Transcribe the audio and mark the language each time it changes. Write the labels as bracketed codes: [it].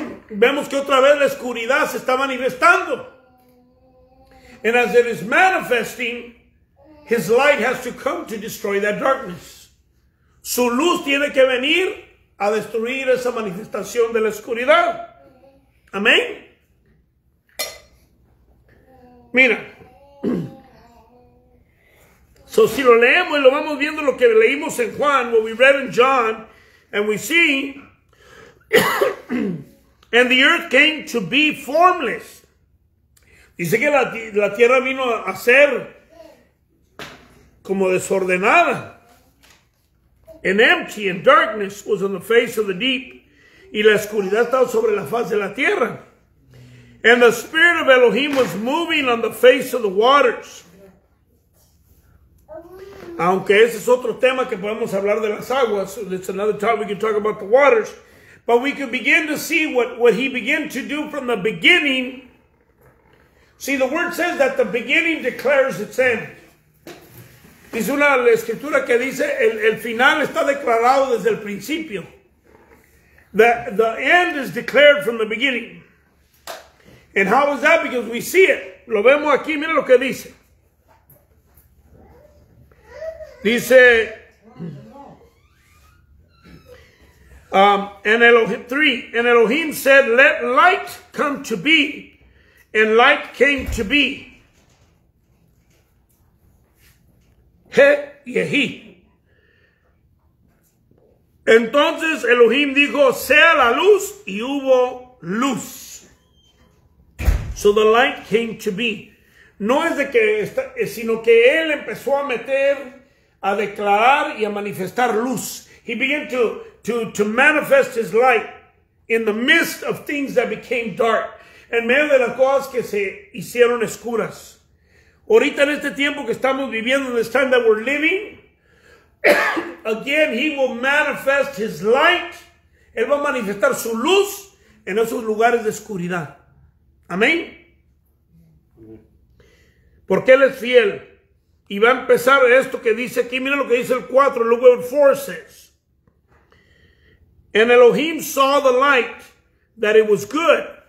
[es] Vemos que otra vez la oscuridad se está manifestando. [en] And as it is manifesting, his light has to come to destroy that darkness. [es] Su luz tiene que venir a destruir esa manifestación de la oscuridad. Amén. Mira. [en] So [es] si lo leemos y lo vamos viendo lo que leímos en Juan, [en] what we read in John, and we see, and the earth came to be formless. [es] Dice que la tierra vino a ser como desordenada. [en] And empty and darkness was on the face of the deep. [es] Y la oscuridad estaba sobre la faz de la tierra. [en] And the Spirit of Elohim was moving on the face of the waters. [es] Aunque ese es otro tema que podemos hablar de las aguas. [en] It's another topic we can talk about the waters. But we can begin to see what he began to do from the beginning. See, the word says that the beginning declares its end. [es] Dice una escritura que dice el final está declarado desde el principio. [en] The end is declared from the beginning. And how is that? Because we see it. [es] Lo vemos aquí, mira lo que dice. Dice, [en] and Elohim, 3, and Elohim said, let light come to be, and light came to be. [he] He, yehi. [es] Entonces Elohim dijo, sea la luz, y hubo luz. [en] So the light came to be. [es] No es de que, sino que él empezó a meter, a declarar y a manifestar luz. [en] He began to manifest his light in the midst of things that became dark. [es] En medio de las cosas que se hicieron oscuras. Ahorita en este tiempo que estamos viviendo, [en] this time that we're living, again, [es] he will manifest his light. Él va a manifestar su luz en esos lugares de oscuridad. Amén. Porque él es fiel. Y va a empezar esto que dice aquí. Mira lo que dice el 4. [en] Look what 4 says. And Elohim saw the light, that it was good.